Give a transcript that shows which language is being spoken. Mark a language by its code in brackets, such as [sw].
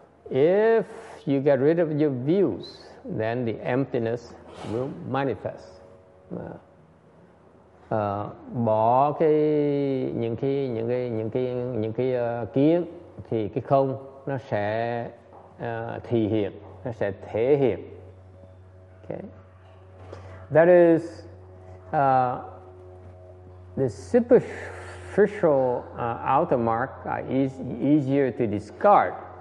[en] If you get rid of your views, then the emptiness will manifest. [vi] Bỏ cái những cái kiến thì cái không nó sẽ thị hiện, nó sẽ thể hiện. [en] Okay. That is the superficial outer mark are easier to discard.